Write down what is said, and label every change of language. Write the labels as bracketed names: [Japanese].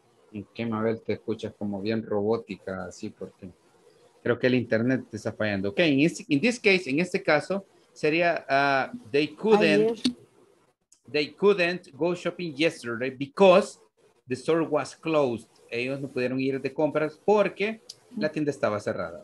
[Spanish] Ok, Mabel, te escuchas como bien robótica, así porque creo que el internet te está fallando. [English] Ok, [Spanish] en este caso, sería [English] they couldn't go shopping yesterday because the store was closed. [Spanish] Ellos no pudieron ir de compras porque la tienda estaba cerrada.